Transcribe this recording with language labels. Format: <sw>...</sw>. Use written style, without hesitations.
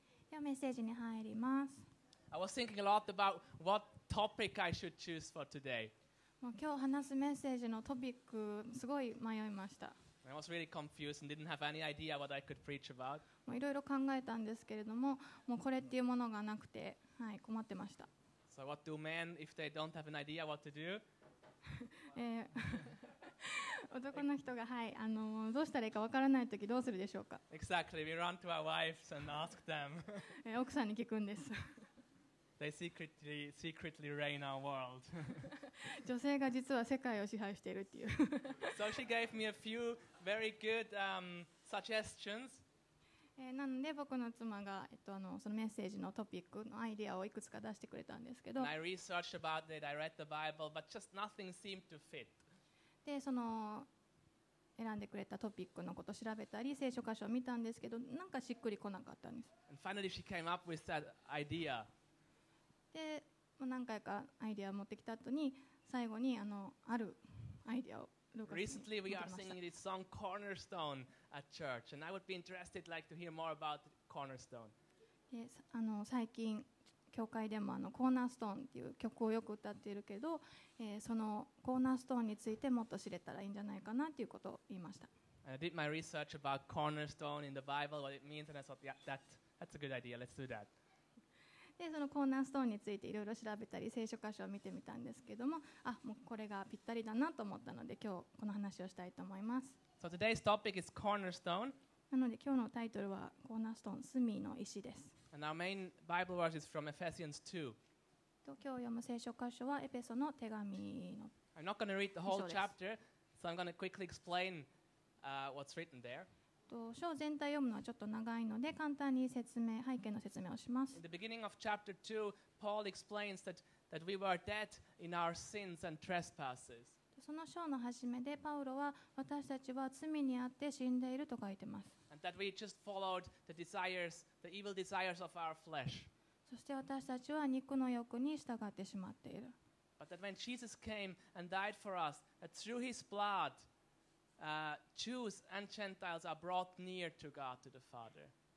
<ja>ではメッセージに入ります。</ja> <en>I was thinking a lot about what topic I should choose for today.</en> <ja>もう今日話すメッセージのトピックすごい迷いました。</ja> <en>I was really confused and didn't have any idea what I could preach about.</en> <ja>もういろいろ考えたんですけれども、もうこれっていうものがなくて、はい、困ってました。</ja> <en>So what do men if they don't have an idea what to do?</en> <ja>男の人が、はい、どうしたらいいかわからないときどうするでしょうか。</ja> <en>Exactly, we run to our wives and ask them.</en> <ja>奥さんに聞くんです。</ja> <en>They secretly reign our world.</en> <ja>女性が実は世界を支配しているっていう。</ja> <en>So she gave me a few very good suggestions.</en> <ja>なので僕の妻が、そのメッセージのトピックのアイデアをいくつか出してくれたんですけど。</ja> <en>And I researched about it, I read the Bible, but just nothing seemed to fit.</en> <ja>でその選んでくれたトピックのことを調べたり聖書箇所を見たんですけどなんかしっくりこなかったんです。</ja> <en>And finally she came up with that idea.</en> <ja>で何回かアイデアを持ってきた後に最後にあるアイデアをルーカスに持ってきました。</ja> <en>Cornerstone at church, and I would be interested to hear more about Cornerstone.</en> <ja>最近教会でもコーナーストーンっていう曲をよく歌っているけど、そのコーナーストーンについてもっと知れたらいいんじゃないかなということを言いました。</ja> <en>I did my research about cornerstone in the Bible, what it means, and I thought, yeah, that's a good idea, let's do that.</en> <ja>で、そのコーナーストーンについていろいろ調べたり、聖書箇所を見てみたんですけども、あ、もうこれがぴったりだなと思ったので、今日この話をしたいと思います。</ja> <en>So today's topic is cornerstone.</en> <ja>なので今日のタイトルはコーナーストーン、隅の石です。</ja> <en>And our main Bible verse is from Ephesians 2.</en> <ja>今日読む聖書箇所はエペソの手紙の</ja> <en>I'm not going to read the whole chapter, so I'm going to quickly explain what's written there.</en> <ja>章全体読むのはちょっと長いので簡単に説明、背景の説明をします。</ja> <en>In the beginning of chapter 2, Paul explains that we were dead in our sins and trespasses.</en> <ja>その章の始めでパウロは私たちは罪にあって死んでいると書いてます。</ja> <en>And that we just followed the desires, the evil desires of our flesh.</en> <ja>そして私たちは肉の欲に従ってしまっている。</ja> <en>But that when Jesus came and died for us, that through his blood, Jews and Gentiles are brought near to God, to the Father.</en>